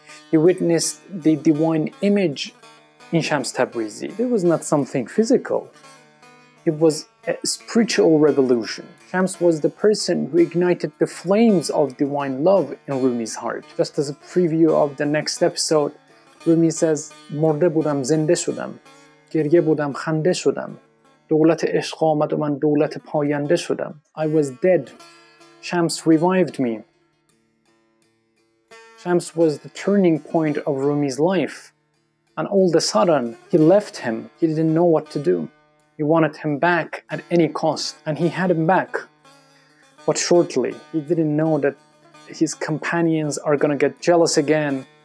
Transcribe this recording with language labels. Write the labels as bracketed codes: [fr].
[en] He witnessed the divine image in Shams Tabrizi. It was not something physical. It was a spiritual revolution. Shams was the person who ignited the flames of divine love in Rumi's heart. Just as a preview of the next episode, Rumi says, [fa] مرده بودم زنده شدم گریه بودم خنده شدم دولت عشق آمد و من دولت پاینده شدم. [en] I was dead, Shams revived me. Shams was the turning point of Rumi's life, and all of a sudden he left him. He didn't know what to do. He wanted him back at any cost, and he had him back, but shortly. He didn't know that his companions are gonna get jealous again.